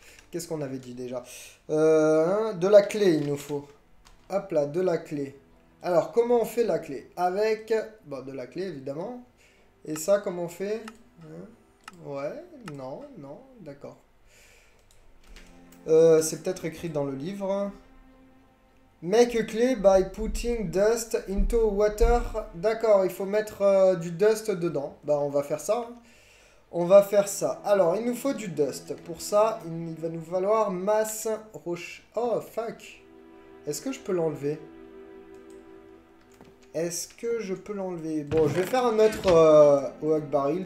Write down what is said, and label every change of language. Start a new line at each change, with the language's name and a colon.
French: qu'est-ce qu'on avait dit déjà? De la clé, il nous faut. Hop là, de la clé. Alors, comment on fait la clé? Avec... Bon, de la clé, évidemment. Et ça, comment on fait? Ouais, non, d'accord. C'est peut-être écrit dans le livre.
English: Make a clay by putting dust into water.
French: D'accord, il faut mettre du dust dedans. Bah, on va faire ça. On va faire ça. Alors, il nous faut du dust. Pour ça, il va nous falloir masse roche.
English: Oh, fuck.
French: Est-ce que je peux l'enlever? Est-ce que je peux l'enlever? Bon, je vais faire un autre oak baril.